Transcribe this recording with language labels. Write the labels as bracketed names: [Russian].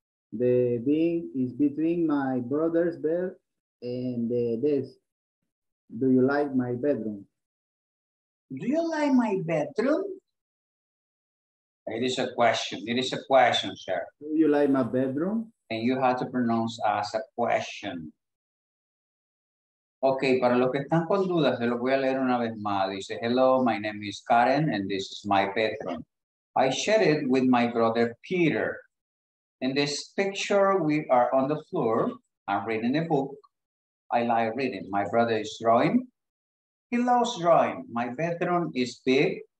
[English] The bin is between my brother's bed and the desk. Do you like my bedroom? Do you like my bedroom? It is a question. It is a question, sir. Do you like my bedroom? And you have to pronounce as a question. [Spanish] Okay, para los que están con dudas, se los voy a leer una vez más. Dice, [English] hello, my name is Karen, and this is my bedroom. I share it with my brother, Peter. In this picture, we are on the floor. I'm reading a book. I like reading. My brother is drawing. He loves drawing. My bedroom is big.